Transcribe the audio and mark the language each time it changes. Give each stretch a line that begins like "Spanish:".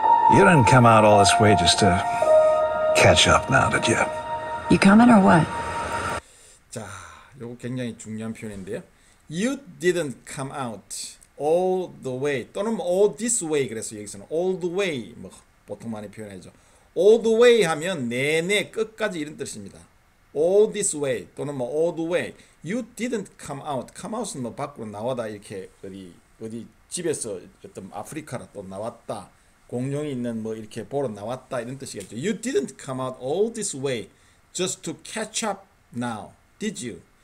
English: You didn't come out all this way just to catch up now, did you? You coming or what?
Korean: 자, 요거 굉장히 중요한 표현인데요.
English: You didn't come out all the way
Korean: 또는
English: all this way
Korean: 그래서 여기서는
English: all the way
Korean: 뭐 보통 많이 표현하죠.
English: All the way
Korean: 하면 내내 끝까지 이런 뜻입니다.
English: All this way
Korean: 또는 뭐
English: all the way. You didn't come out. Come out
Korean: 은 뭐 밖으로 나와다 이렇게 어디 집에서 어떤 아프리카로 또 나왔다. 공룡이 있는 뭐 이렇게 보러 나왔다 이런 뜻이겠죠.
English: You didn't come out all this way just to catch up now, did you?